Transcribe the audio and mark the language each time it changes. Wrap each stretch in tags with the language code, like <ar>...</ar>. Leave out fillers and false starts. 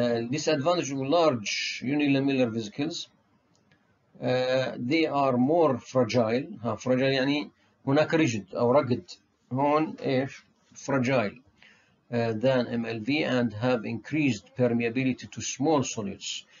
<en>Disadvantage of large unilamellar vesicles: they are more fragile.</en> <ar>ها fragile يعني هناك rigid أو rugged. هون إيش</ar> <en>fragile than MLV and have increased permeability to small solutes.</en>